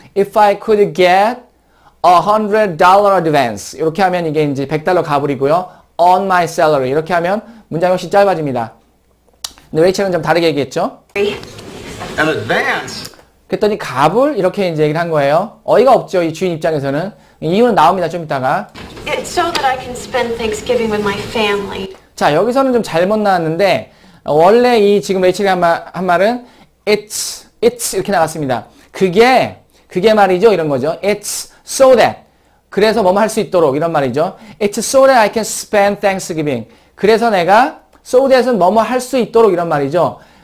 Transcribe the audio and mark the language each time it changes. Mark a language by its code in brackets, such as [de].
[en] If I could get $100 advance. [ko] 이렇게 하면 이게 이제 100달러 가불이고요. [en] on my salary. [ko] 이렇게 하면 문장이 훨씬 짧아집니다. 근데 레이첼은 좀 다르게 얘기했죠. [en] advance. [ko] 그랬더니 가불 이렇게 이제 얘기를 한 거예요. 어이가 없죠. 이 주인 입장에서는. 이유는 나옵니다. 좀 이따가. [en] It's so that I can spend Thanksgiving with my family. [ko] 자, 여기서는 좀 잘못 나왔는데 원래 이 지금 레이첼이 한 말은 it's 이렇게 나갔습니다. 그게 말이죠. 이런 거죠. [en] It's so that. [ko] 그래서 뭐뭐 할수 있도록 이런 말이죠. [en] It's so that I can spend Thanksgiving. [ko] 그래서 내가 [en] so that은 [ko] 뭐뭐 할수 있도록 이런 말이죠.